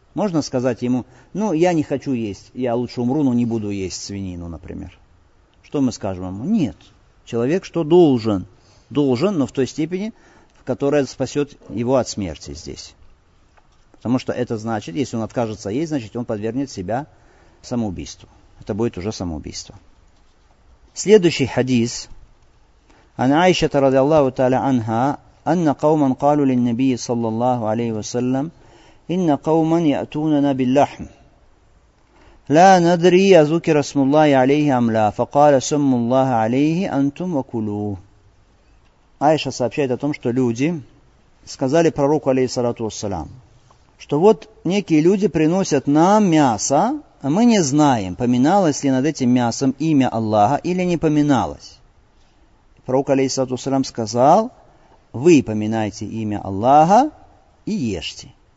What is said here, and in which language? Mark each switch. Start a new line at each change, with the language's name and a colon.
Russian: Можно сказать ему, ну, я не хочу есть, я лучше умру, но не буду есть свинину, например. Что мы скажем ему? Нет. Человек что должен? Должен, но в той степени, в которой спасет его от смерти здесь. Потому что это значит, если он откажется есть, значит, он подвергнет себя самоубийству. Это будет уже самоубийство. Следующий хадис.
Arabic: عن عائشة رضي الله تعالى عنها أن قوما قالوا للنبي صلى الله عليه وسلم إن قوما يأتوننا باللحم لا ندري أذكر اسم الله عليه أم لا فقال سموا الله عليه أنتم وكلوا.
Russian: Аиша сообщает о том, что люди сказали пророку, алейхиссалату вассалям, что вот некие люди приносят нам мясо, а мы не знаем, поминалось ли над этим мясом имя Аллаха или не поминалось. Пророк, алейхиссалату вассалям, сказал, вы поминайте имя Аллаха и ешьте.